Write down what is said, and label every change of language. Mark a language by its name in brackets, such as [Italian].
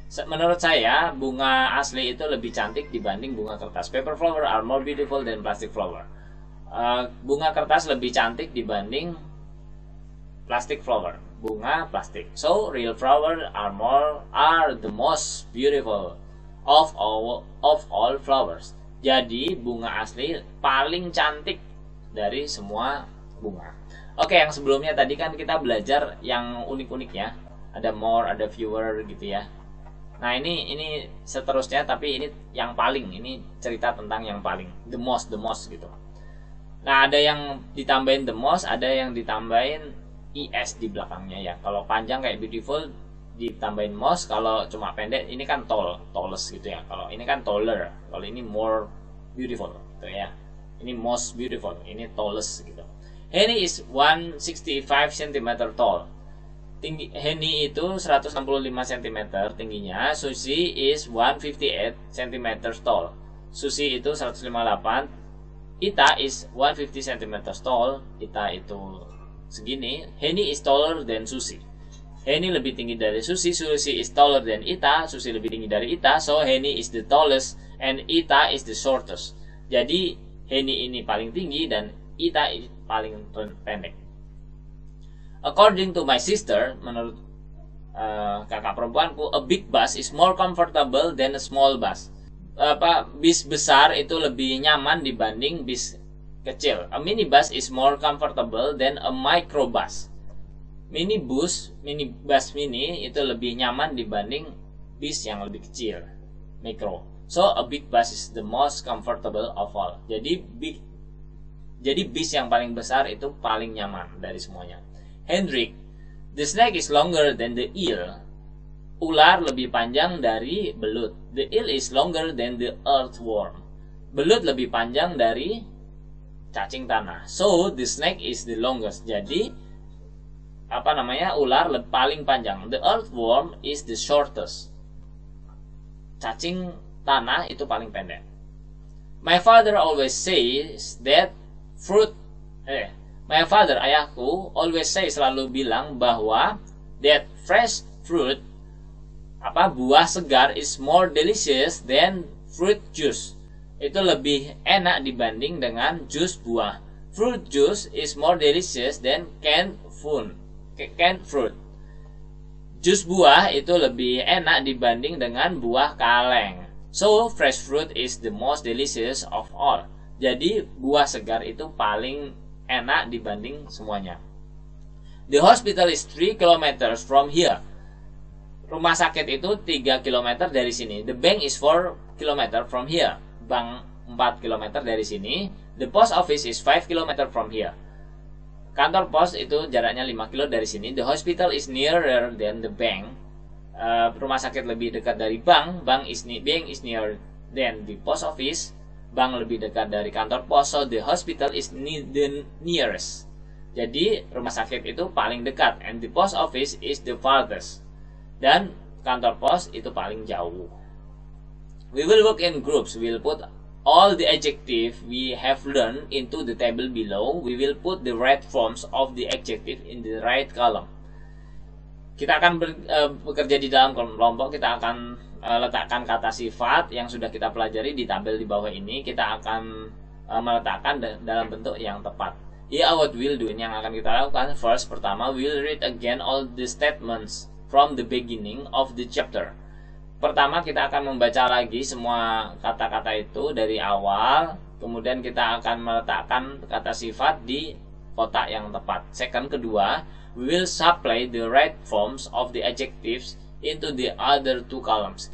[Indonesian] Menurut saya, bunga asli itu lebih cantik dibanding bunga kertas. [English] Paper flowers are more beautiful than plastic flowers. [Indonesian] bunga kertas lebih cantik dibanding plastic flower, bunga plastik. [English] So real flowers are the most beautiful of all flowers. [Indonesian] Jadi bunga asli paling cantik dari semua bunga. Oke, yang sebelumnya tadi kan kita belajar yang unik-unik ya. Ada more, ada fewer gitu ya. Nah, ini seterusnya, tapi ini yang paling, ini cerita tentang yang paling, the most gitu. Nah, ada yang ditambahin the most, ada yang ditambahin es di belakangnya ya. Kalau panjang kayak beautiful ditambahin most, kalau cuma pendek ini kan tallest gitu ya. Kalau ini kan taller, kalau ini more beautiful gitu ya. [English] Ini most beautiful, ini tallest gitu. Henny is 165 cm tall. [Indonesian] Tinggi Henny itu 165 cm tingginya. [English] Susie is 158 cm tall. [Indonesian] Susie itu 158. [English] Ita is 150 cm tall. [Indonesian] Ita itu segini. [English] Henny is taller than Susie. [Indonesian] Henny lebih tinggi dari Susie. [English] Susie is taller than Ita. [Indonesian] Susie lebih tinggi dari Ita. [English] So Henny is the tallest and Ita is the shortest. [Indonesian] Jadi Henny ini paling tinggi dan Ita paling pendek. [English] According to my sister, [Indonesian] menurut kakak perempuanku, [English] a big bus is more comfortable than a small bus. [Indonesian] Apa, bis besar itu lebih nyaman dibanding bis kecil. [English] A minibus is more comfortable than a microbus. [Indonesian] Minibus mini itu lebih nyaman dibanding bis yang lebih kecil, mikro. [English] So a big bus is the most comfortable of all. [Indonesian] Jadi bis yang paling besar itu paling nyaman dari semuanya. [English] Hendrik, the snake is longer than the eel. [Indonesian] Ular lebih panjang dari belut. [English] The eel is longer than the earthworm. [Indonesian] Belut lebih panjang dari cacing tanah. [English] So the snake is the longest. [Indonesian] Jadi apa namanya, ular paling panjang. [English] The earthworm is the shortest. [Indonesian] Cacing tanah itu paling pendek. [English] My father always says that fruit. My father, [Indonesian] ayahku, [English] always say, [Indonesian] selalu bilang bahwa [English] that fresh fruit, apa, [Indonesian] buah segar [English] is more delicious than fruit juice. [Indonesian] Itu lebih enak dibanding dengan jus buah. [English] Fruit juice is more delicious than canned fruit. [Indonesian] Jus buah itu lebih enak dibanding dengan buah kaleng. [English] So, fresh fruit is the most delicious of all. [Indonesian] Jadi, buah segar itu paling enak dibanding semuanya. [English] The hospital is 3 kilometers from here. [Indonesian] Rumah sakit itu 3 kilometer dari sini. [English] The bank is 4 kilometers from here. [Indonesian] Bank 4 kilometer dari sini. [English] The post office is 5 kilometers from here. [Indonesian] Kantor pos itu jaraknya 5 kilo dari sini. [English] The hospital is nearer than the bank. [Indonesian] Rumah sakit lebih dekat dari bank. [English] Bank is nearer than the post office. [Indonesian] Bank lebih dekat dari kantor pos, [English] so the hospital is the nearest. [Indonesian] Jadi rumah sakit itu paling dekat, [English] and the post office is the farthest. [Indonesian] Dan kantor pos itu paling jauh. [English] We will work in groups. We will put all the adjective we have learned into the table below. We will put the right forms of the adjective in the right column. [Indonesian] Kita akan bekerja di dalam kelompok. Kita akan letakkan kata sifat yang sudah kita pelajari di tabel di bawah ini. Kita akan meletakkan dalam bentuk yang tepat. [English] Yeah, what we'll do, [Indonesian] yang akan kita lakukan. [English] First, [Indonesian] pertama, [English] we'll read again all the statements from the beginning of the chapter. [Indonesian] Pertama, kita akan membaca lagi semua kata-kata itu dari awal. Kemudian kita akan meletakkan kata sifat di kotak yang tepat. [English] Second, [Indonesian] kedua, [English] we will supply the right forms of the adjectives into the other two columns.